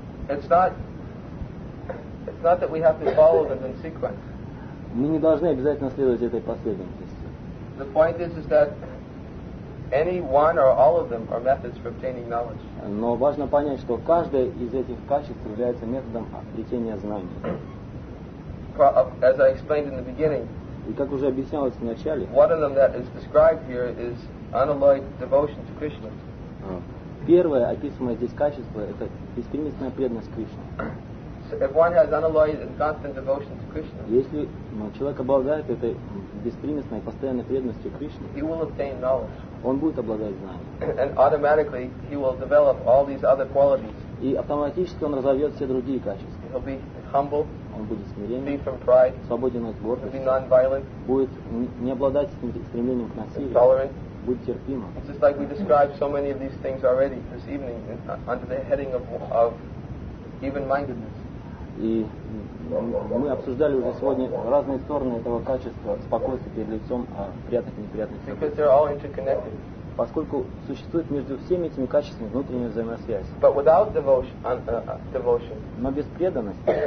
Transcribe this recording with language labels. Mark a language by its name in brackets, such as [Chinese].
[English] It's not that we have to follow them in sequence. [Russian] Мы не должны обязательно следовать этой последовательности. [English] The point is that any one or all of them are methods for obtaining knowledge. [Russian] Но важно понять, что каждое из этих качеств является методом обретения знаний. [English] As I explained in the beginning. [Russian] И как уже объяснялось в начале. [English] One of them that is described here is unalloyed devotion to Krishna. [Russian] Первое описываемое здесь качество – это беспримесная преданность Кришне. Если человек обладает этой беспримесной постоянной преданностью Кришне, [English] he will obtain knowledge. [Russian] Он будет обладать знанием. [English] And automatically he will develop all these other qualities. [Russian] И автоматически он разовьет все другие качества. [English] He'll be humble, [Russian] он будет смиренен, [English] free from pride, [Russian] свободен от гордости, [English] he'll be non-violent, [Russian] будет не обладать стремлением к насилию, [English] tolerant. [Russian] Будь терпимо. [English] It's just like we described so many of these things already this evening under the heading of even-mindedness. [Russian] И мы обсуждали уже сегодня разные стороны этого качества спокойствия перед лицом приятных и неприятных событий. [English] Because they're all interconnected. [Russian] Поскольку существует между всеми этими качествами внутренняя взаимосвязь. [English] But without devotion. [Russian] Но без преданности.